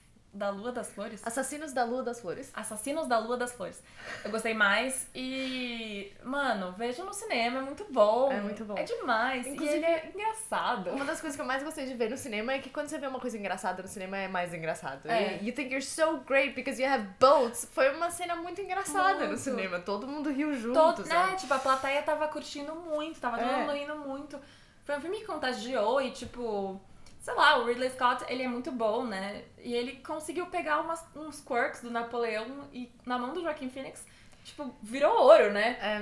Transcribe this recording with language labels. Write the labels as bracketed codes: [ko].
[pt] Da Lua das Flores? Assassinos da Lua das Flores. Assassinos da Lua das Flores. Eu gostei mais e... Mano, vejo no cinema, é muito bom. É muito bom. É demais. Inclusive, e ele é engraçado. Uma das coisas que eu mais gostei de ver no cinema é que quando você vê uma coisa engraçada no cinema, é mais engraçado. [en] You think you're so great because you have boats. [pt] Foi uma cena muito engraçada muito. No cinema. Todo mundo riu junto, sabe? Né? Tipo, a plateia tava curtindo muito, tava todo mundo rindo muito. Foi um filme que contagiou e, tipo... Sei lá, o Ridley Scott, ele é muito bom, né? E ele conseguiu pegar uns quirks do Napoleão e, na mão do Joaquin Phoenix, tipo, virou ouro, né?